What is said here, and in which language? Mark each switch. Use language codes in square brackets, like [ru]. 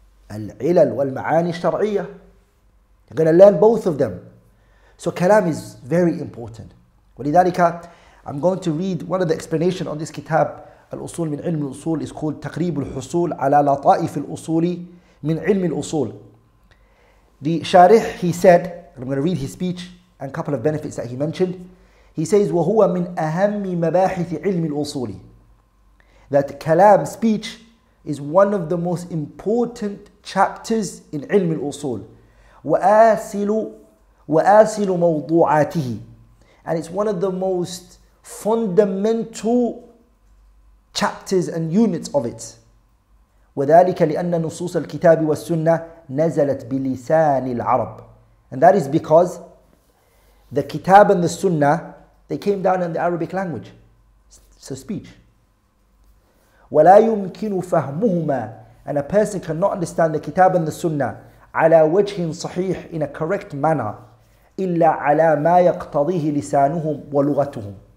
[ar] العلل والمعاني الشرعية. [en] You're going to learn both of them. So kalam is very important. [ar] ولذلك [en] I'm going to read one of the explanations on this kitab. [ar] الأصول من علم الأصول [en] is called [ar] تقريب الحصول على لطائف الأصول من علم الأصول. [en] The شارح, he said, and I'm going to read his speech and a couple of benefits that he mentioned. He says, [ar] وهو من أهم مباحث علم الأصول. [en] That كلام, speech, is one of the most important chapters in علم الأصول. [ar] وآسل موضوعاته. [en] And it's one of the most fundamental chapters and units of it. [ar] وذلك لأن نصوص الكتاب والسنة نزلت بلسان العرب. [en] And that is because the kitab and the sunnah, they came down in the Arabic language. So speech. [ar] ولا يمكن فهمهما. [en] And a person cannot understand the kitab and the sunnah [ar] على وجه صحيح, [en] in a correct manner, [ar] إلا على ما يقتضيه لسانهم ولغتهم.